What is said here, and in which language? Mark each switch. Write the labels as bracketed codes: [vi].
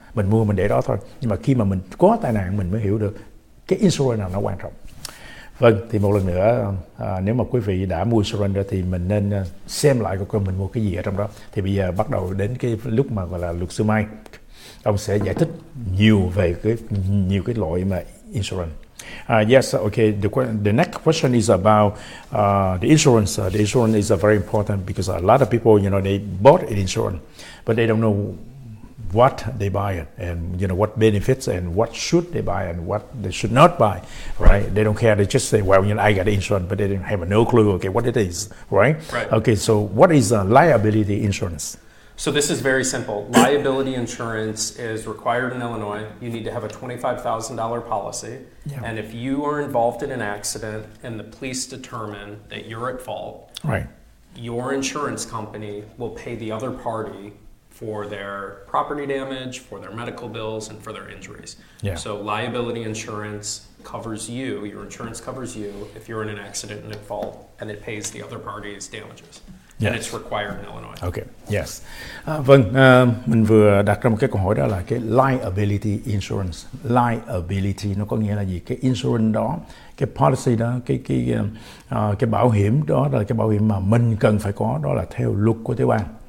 [vi] Mình mua mình để đó thôi, nhưng mà khi mà mình có tai nạn mình mới hiểu được cái insurance nào nó quan trọng. Vâng, thì một lần nữa, nếu mà quý vị đã mua insurance rồi thì mình nên xem lại coi mình mua cái gì ở trong đó. Thì bây giờ bắt đầu đến cái lúc mà gọi là luật sư Mai, ông sẽ giải thích nhiều về cái nhiều cái loại mà insurance. [en] Yes, okay, the next question is about the insurance. The insurance is very important because a lot of people, you know, they bought an insurance but they don't know what they buy it, and you know, what benefits, and what should they buy and what they should not buy, right? They don't care. They just say, well, you know, I got insurance, but they didn't have no clue, okay, what it is, right? Right. Okay, so what is liability insurance? So this is very simple. Liability insurance is required in Illinois. You need to have a $25,000 policy. Yeah. And if you are involved in an accident and the police determine that you're at fault, right, your insurance company will pay the other party for their property damage, for their medical bills, and for their injuries. Yeah. So liability insurance covers you, your insurance covers you, if you're in an accident and at fault, and it pays the other party's damages. Yes. And it's required in Illinois. Okay, yes. [vi] Vâng, mình vừa đặt ra một cái câu hỏi, đó là cái liability insurance. Liability nó có nghĩa là gì? Cái insurance đó, cái policy đó, cái bảo hiểm đó, là cái bảo hiểm mà mình cần phải có, đó là theo luật của tế bang.